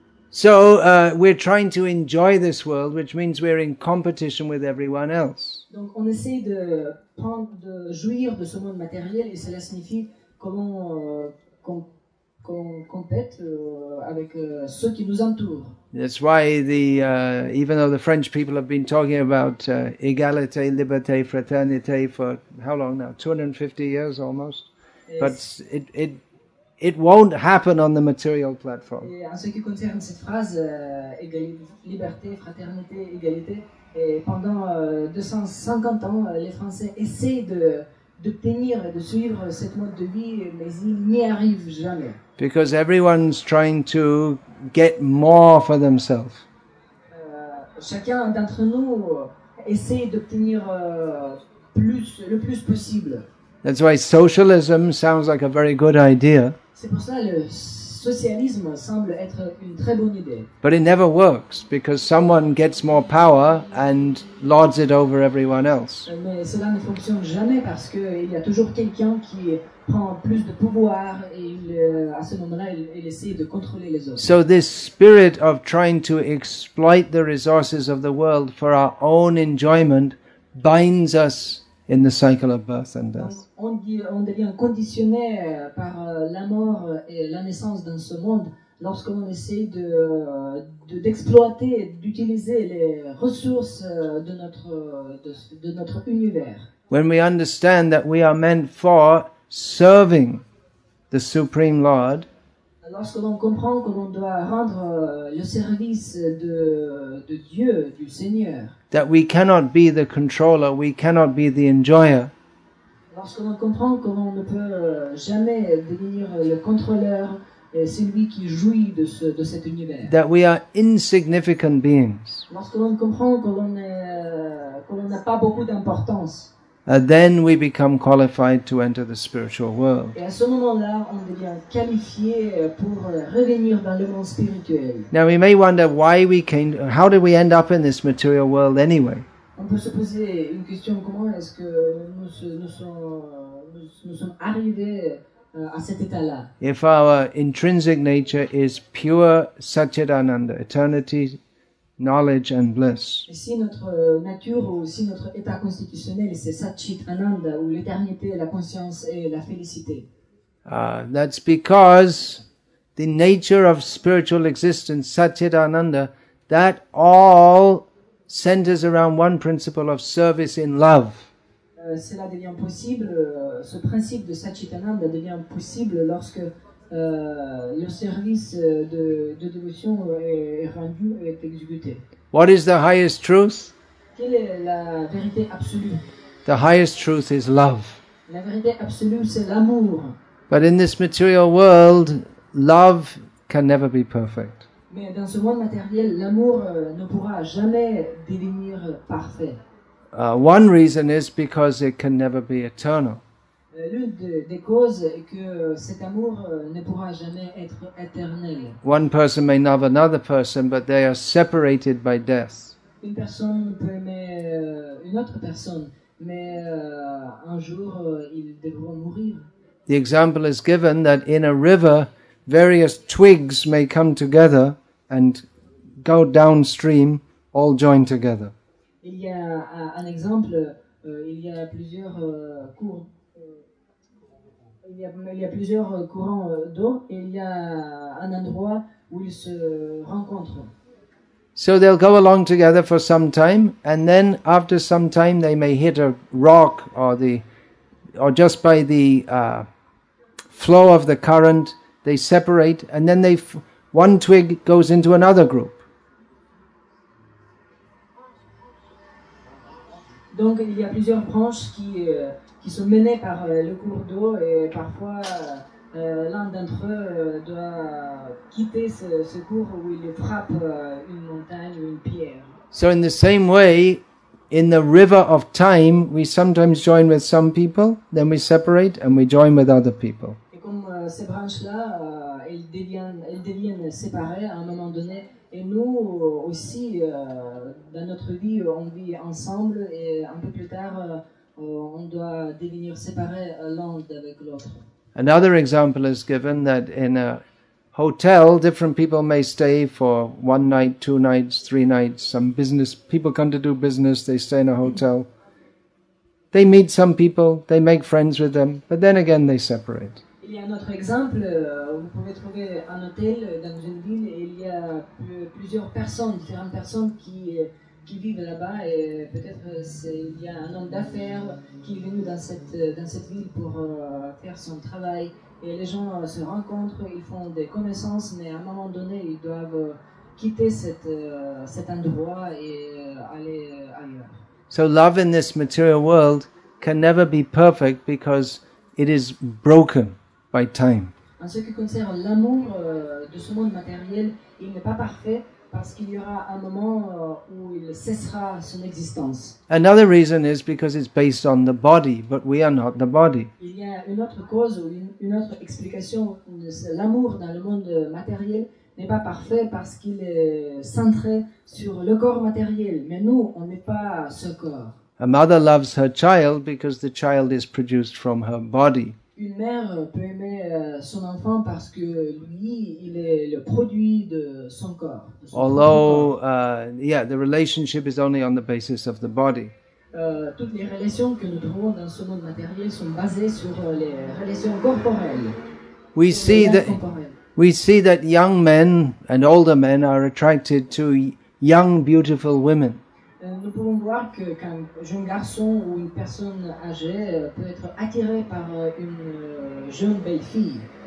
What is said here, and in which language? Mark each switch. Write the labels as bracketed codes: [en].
[en] So we're trying to enjoy this world, which means we're in competition with everyone else. [fr] Donc on essaie de jouir de ce monde matériel, et cela signifie qu'on compète avec ceux qui nous entourent. [en] That's why even though the French people have been talking about [fr] égalité, liberté, fraternité [en] for how long now? 250 years almost. But it won't happen on the material platform. [fr] Et en ce qui concerne cette phrase, liberté, fraternité, égalité, et pendant 250 ans, les Français essaient d'obtenir et de suivre cette mode de vie, mais ils n'y arrivent jamais. [en] Because everyone's trying to get more for themselves. [fr] Chacun d'entre nous essaie d'obtenir le plus possible. [en] That's why socialism sounds like a very good idea. [fr] C'est pour ça que le socialisme semble être une très bonne idée. [en] But it never works because someone gets more power and lords it over everyone else. [fr] Mais cela ne fonctionne jamais parce que il y a toujours quelqu'un qui prend plus de pouvoir et à ce moment-là, il essaie de contrôler les autres. [en] So this spirit of trying to exploit the resources of the world for our own enjoyment binds us in the cycle of birth and death. [fr] On devient conditionné par la mort et la naissance dans ce monde lorsqu'on essaie d'exploiter, d'utiliser les ressources de notre univers. [en] When we understand that we are meant for serving the Supreme Lord, [fr] lorsque l'on comprend que l'on doit rendre le service de Dieu, du Seigneur, [en] that we cannot be the controller, we cannot be the enjoyer. [fr] Lorsque l'on comprend que l'on ne peut jamais devenir le contrôleur, celui qui jouit de cet univers. [en] That we are insignificant beings. [fr] Lorsque l'on comprend que l'on n'a pas beaucoup d'importance. [en] Then we become qualified to enter the spiritual world. [fr] Et à ce moment-là, on devient qualifié pour revenir dans le monde spirituel. [en] Now we may wonder why we came, how did we end up in this material world anyway? [fr] On peut se poser une question, comment est-ce que nous sommes arrivés à cet état-là? [en] If our intrinsic nature is pure Satchidananda, eternity, knowledge and bliss. [fr] Et si notre nature ou si notre état constitutionnel c'est Satchitananda ou l'éternité, la conscience et la félicité. [en] That's because the nature of spiritual existence, Satchitananda, that all centers around one principle of service in love. [fr] Cela devient possible, ce principe de Satchitananda devient possible lorsque le service de dévotion est rendu, est exécuté. [en] What is the highest truth? [fr] Quelle est la vérité absolue? [en] The highest truth is love. [fr] La vérité absolue, c'est l'amour. [en] But in this material world, love can never be perfect. [fr] Mais dans ce monde matériel, l'amour ne pourra jamais devenir parfait. [en] One reason is because it can never be eternal. [fr] L'une des causes est que cet amour ne pourra jamais être éternel. [en] One person may love another person, but they are separated by death. [fr] Une personne peut aimer une autre personne, mais un jour ils devront mourir. [en] The example is given that in a river, various twigs may come together and go downstream, all joined together. [fr] Il y a un exemple, il y a plusieurs cours, il y a plusieurs courants d'eau, et il y a un endroit où ils se rencontrent. [en] So they'll go along together for some time, and then after some time they may hit a rock or just by the flow of the current, they separate, and then one twig goes into another group. [fr] Donc il y a plusieurs branches qui sont menées par le cours d'eau et parfois l'un d'entre eux doit quitter ce cours où il frappe une montagne ou une pierre. [en] So in the same way, in the river of time, we sometimes join with some people, then we separate and we join with other people. [fr] Et comme ces branches-là, elles deviennent séparées à un moment donné. Et nous aussi, dans notre vie, on vit ensemble et un peu plus tard, on doit devenir séparés l'un avec l'autre. [en] Another example is given that in a hotel, different people may stay for one night, two nights, three nights. Some business people come to do business, they stay in a hotel. They meet some people, they make friends with them, but then again they separate. [fr] Il y a un autre exemple, vous pouvez trouver un hôtel dans une ville et il y a plusieurs personnes, différentes personnes qui vivent là-bas et peut-être il y a un homme d'affaires qui est venu dans cette ville pour faire son travail et les gens se rencontrent, ils font des connaissances mais à un moment donné ils doivent quitter cet endroit et aller ailleurs. [en] So love in this material world can never be perfect because it is broken. By time. [fr] En ce qui concerne l'amour de ce monde matériel, il n'est pas parfait parce qu'il y aura un moment où il cessera son existence. [en] Another reason is because it's based on the body, but we are not the body. [fr] Il y a une autre cause ou une autre explication. L'amour dans le monde matériel n'est pas parfait parce qu'il est centré sur le corps matériel, mais nous, on n'est pas ce corps. [en] A mother loves her child because the child is produced from her body. [fr] Une mère peut aimer son enfant parce que lui, il est le produit de son corps. [en] The relationship is only on the basis of the body. [fr] Toutes les relations que nous trouvons dans ce monde matériel sont basées sur les relations corporelles. [en] We see that young men and older men are attracted to young, beautiful women. [fr] Nous pouvons voir que qu'un jeune garçon ou une personne âgée peut être attiré par une jeune belle fille.